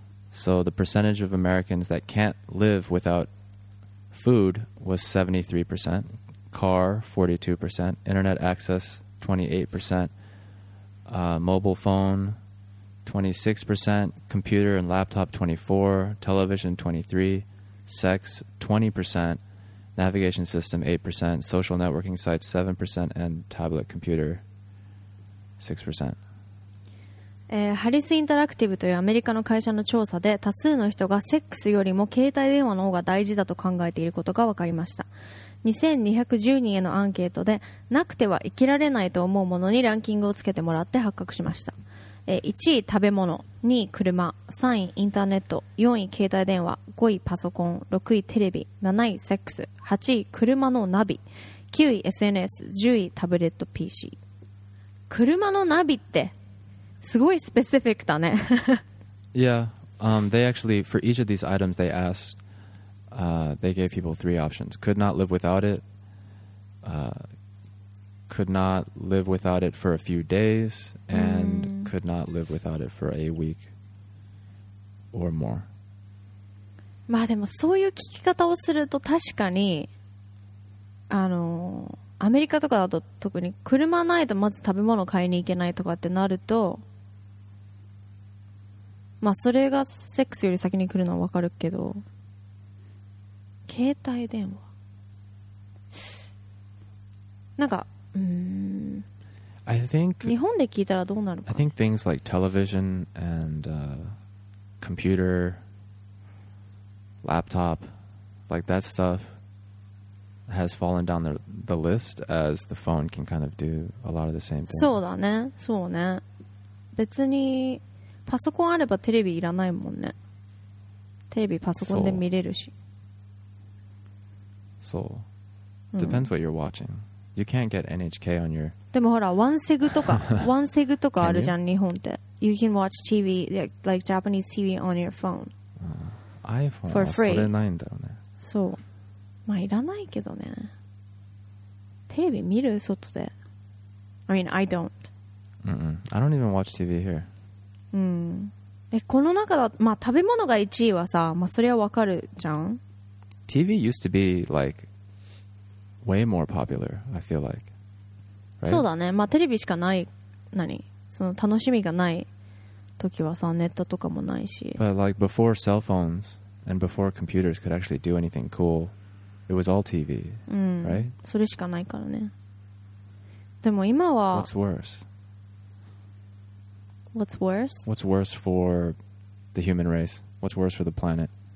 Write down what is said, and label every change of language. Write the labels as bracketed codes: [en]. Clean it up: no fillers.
[en] So the percentage of Americans that can't live without food was 73%, car 42%, internet access 28%, mobile phone 26%, computer and laptop 24%, television 23%, sex 20%, navigation system 8%, social networking sites 7%, and tablet computer 6%. [ja] ハリスインタラクティブというアメリカの会社の調査で多数の人がセックスよりも携帯電話の方が大事だと考えていることが分かりました。 2210人へのアンケートでなくては生きられないと思うものにランキングをつけてもらって発覚しました。 1位食べ物、2位車、3位インターネット、4位携帯電話、5位パソコン、6位テレビ、7位セックス、8位車のナビ、9位 SNS、 10位タブレット PC。車のナビってすごいスペシフィックだね。 [en] Yeah, they actually, for each of these items they asked, they gave people three options. Could not live without it, could not live without it for a few days, and could not live without it for a week or more. [ja] まあでもそういう聞き方をすると確かに、アメリカとかだと特に車ないとまず食べ物買いに行けないとかってなると、まあそれがセックスより先に来るのはわかるけど、携帯電話なんか、 [en] I think [ja] 日本で聞いたらどうなるか。 [en] I think things like television and computer, laptop, like that stuff has fallen down the list, as the phone can kind of do a lot of the same things. [ja] そうだね、そうね。別にパソコンあればテレビいらないもんね。テレビパソコンで見れるし。そう。 [en] Depends what you're watching. You can't get NHK on your... [ja] でもほら、ワンセグとか、ワンセグとかあるじゃん、日本って。 [en] You can watch TV, like Japanese TV on your phone. [ja] iPhone はそれないんだよね。そう。まあ、いらないけどね。テレビ見る？外で。 [en] I mean, I don't. I don't even watch TV here. [ja] この中だ、まあ食べ物が1位はさ、まあそれはわかるじゃん。 [en] TV used to be like way more popular, I feel like.、Right? [ja] そうだね。まあテレビしかない、何？その楽しみがない時はさ、ネットとかもないし。 [en] But like before cell phones and before computers could actually do anything cool, it was all TV,、right? [ja] それしかないからね。でも今は。 [en] What's worse? What's worse? What's worse for the human race? What's worse for the planet?